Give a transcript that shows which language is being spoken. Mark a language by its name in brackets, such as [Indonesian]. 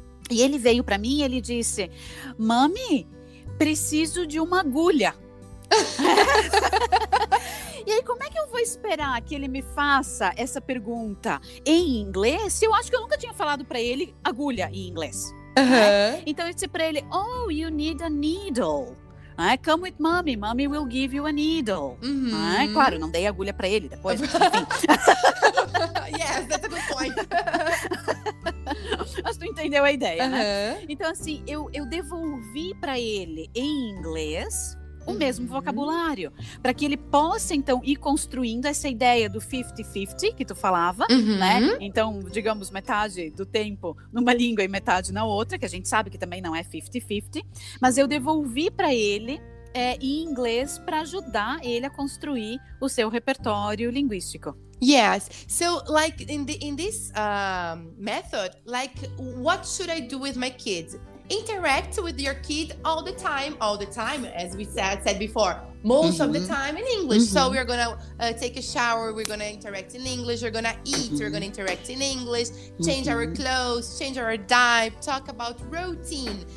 [Portuguese] E ele veio pra mim e ele disse: Mami, preciso de uma agulha. E aí, como é que eu vou esperar que ele me faça essa pergunta em inglês? Eu acho que eu nunca tinha falado pra ele agulha em inglês. Uh-huh. Né? Então eu disse pra ele: [English] oh, you need a needle. [Portuguese] Né? [English] Come with mommy, mommy will give you a needle. Uh-huh. [Portuguese] Né? Claro, não dei agulha pra ele depois. [English] Yes, that's a good point. [Portuguese] Mas tu entendeu a ideia, uh-huh. né? Então assim, eu devolvi pra ele em inglês o mesmo vocabulário, para que ele possa, então, ir construindo essa ideia do 50-50 que tu falava, né? Então, digamos, metade do tempo numa língua e metade na outra, que a gente sabe que também não é 50-50, mas eu devolvi para ele em inglês para ajudar ele a construir o seu repertório linguístico. [English] Yes. So, like, in this method, like, what should I do with my kids? interact with your kid all the time, as we said before, most of the time in English. Mm-hmm. So we're going to take a shower, we're going to interact in English, we're going to eat, we're going to interact in English, change our clothes, change our diet, talk about routine.